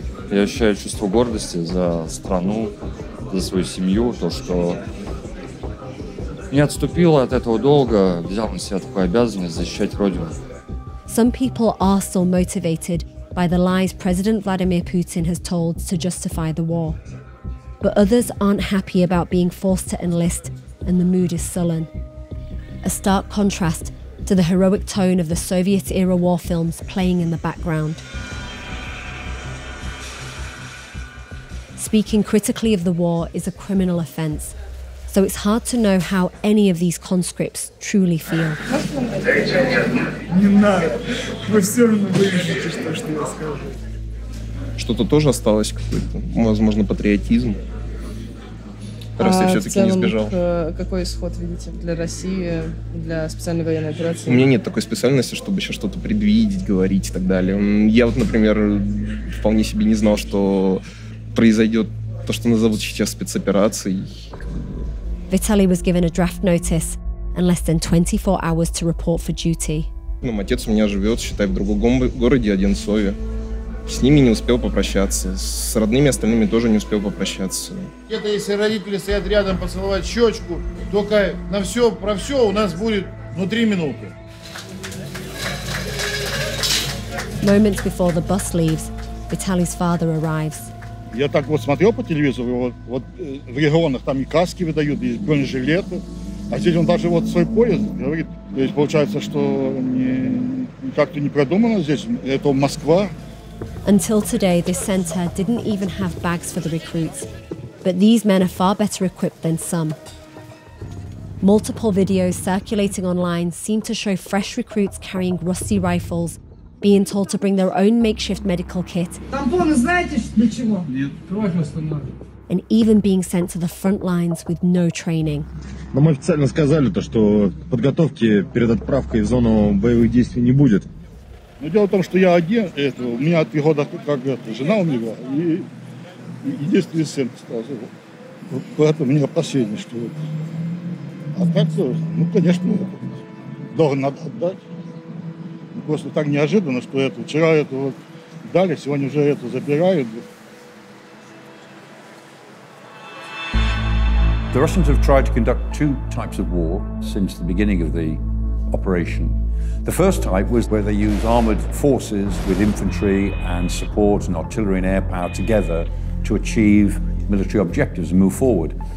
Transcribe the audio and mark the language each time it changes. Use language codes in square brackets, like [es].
[ru] Я ощущаю чувство гордости за страну, за свою семью, то, что не отступил от этого долга, взял на себя такую обязанность защищать родину. [en] Some people are still motivated by the lies President Vladimir Putin has told to justify the war. But others aren't happy about being forced to enlist, and the mood is sullen. A stark contrast to the heroic tone of the Soviet-era war films playing in the background. Speaking critically of the war is a criminal offense, so it's hard to know how any of these conscripts truly feel. [ru] Что-то тоже осталось какое-то, возможно, патриотизм. Раз я все-таки не сбежал. Какой исход видите для России, для специальной военной операции? У меня нет такой специальности, чтобы еще что-то предвидеть, говорить и так далее. Я вот, например, вполне себе не знал, что произойдет то, что назовут сейчас спецоперацией. [en] Vitaly was given a draft notice and less than 24 hours to report for duty. [ru] Ну, отец у меня живет, считай, в другом городе, Одинцове. С ними не успел попрощаться, с родными остальными тоже не успел попрощаться. Где-то если родители стоят рядом, поцеловать щечку, только на все, про все у нас будет внутри минуты. [en] Moments before the bus leaves, Vitaly's father arrives. [ru] Я так вот смотрел по телевизору, вот в регионах там и каски выдают, и бронежилеты. А здесь он даже вот свой пояс говорит. То есть получается, что как-то не продумано здесь, это Москва. [en] Until today, this center didn't even have bags for the recruits. But these men are far better equipped than some. Multiple videos circulating online seem to show fresh recruits carrying rusty rifles, being told to bring their own makeshift medical kit. [ru] Тампоны знаете для чего? Нет, кровь остановит. [en] And even being sent to the front lines with no training. [ru] Но мы официально сказали то, что подготовки перед отправкой в зону боевых действий не будет. Но дело в том, что я один, это, у меня 3 года как это, жена у него и единственный сын остался. Вот поэтому у меня последнее, что вот. А так, ну, конечно, долг надо отдать. Просто так неожиданно, что это вчера это вот дали, сегодня уже это забирают. [en] The Russians have tried to conduct two types of war since the beginning of the operation. The first type was where they use armored forces with infantry and support and artillery and air power together to achieve military objectives and move forward.